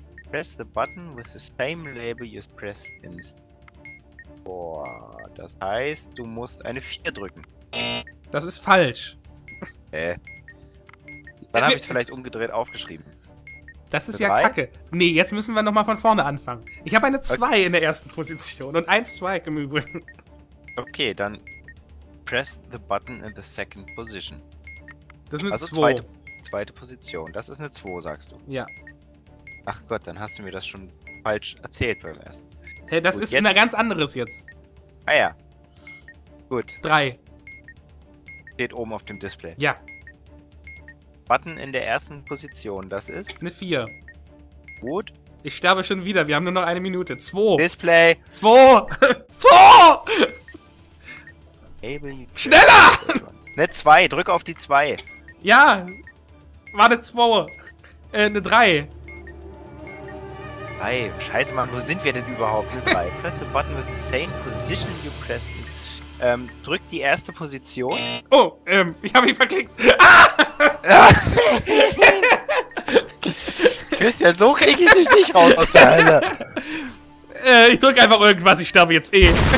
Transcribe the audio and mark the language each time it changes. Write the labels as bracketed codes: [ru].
[en] Press the button with the same label you pressed in... [de] Boah, das heißt, du musst eine 4 drücken. Das ist falsch. Dann habe ich es vielleicht umgedreht aufgeschrieben. Das ist ja kacke. Nee, jetzt müssen wir nochmal von vorne anfangen. Ich habe eine 2 in der ersten Position und ein Strike im Übrigen. [en] Okay, dann press the button in the second position. [de] Das ist eine 2. Zweite Position. Das ist eine 2, sagst du. Ja. Ach Gott, dann hast du mir das schon falsch erzählt beim ersten. Hey, das ist ein ganz anderes jetzt. Ah ja. Gut. 3. Steht oben auf dem Display. Ja. Button in der ersten Position, das ist? Eine 4. Gut. Ich sterbe schon wieder, wir haben nur noch eine Minute. 2. Display. 2. 2. Schneller! Eine 2, drück auf die 2. Ja. War eine 2. Eine 3. 3. Scheiße, Mann, wo sind wir denn überhaupt? Eine 3. [en] Press the button with the same position you pressed. [de] Drück die erste Position. Oh, ich habe ihn verklickt. Ah! Christian, so kriege ich dich nicht raus aus der Halle. Ich drücke einfach irgendwas, ich sterbe jetzt eh.